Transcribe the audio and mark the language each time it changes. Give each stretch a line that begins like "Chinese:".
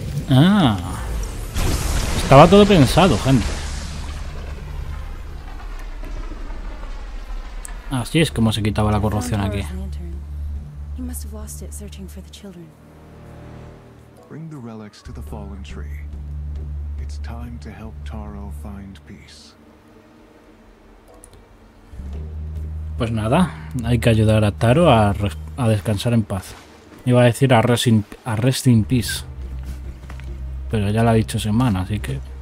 Spanish: Ah. Estaba todo pensado, gente. Así es como se quitaba la corrupción aquí.
English: You must have lost it searching for the children. Bring the relics to the fallen tree. It's time to help Taro find peace.
Spanish: Pues nada, hay que ayudar a Taro a descansar en paz. Iba a decir
English: a rest in peace.
Spanish: Pero ya lo ha dicho Semana, así que.